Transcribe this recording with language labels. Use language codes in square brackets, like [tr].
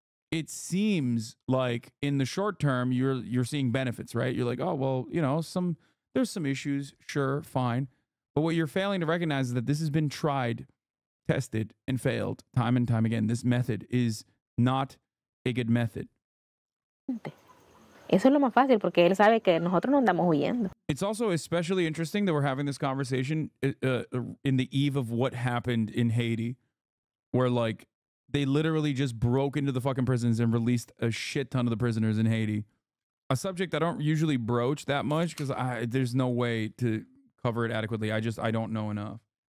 [en] It seems like in the short term, you're seeing benefits, right? You're like, oh, well, you know, there's some issues, sure, fine. But what you're failing to recognize is that this has been tried, tested, and failed time and time again. This method is not a good method. [es] Eso es lo más fácil porque él sabe que nosotros no andamos huyendo. [en] It's also especially interesting that we're having this conversation in the eve of what happened in Haiti, where like they literally just broke into the fucking prisons and released a shit ton of the prisoners in Haiti. A subject I don't usually broach that much because there's no way to cover it adequately. I don't know enough.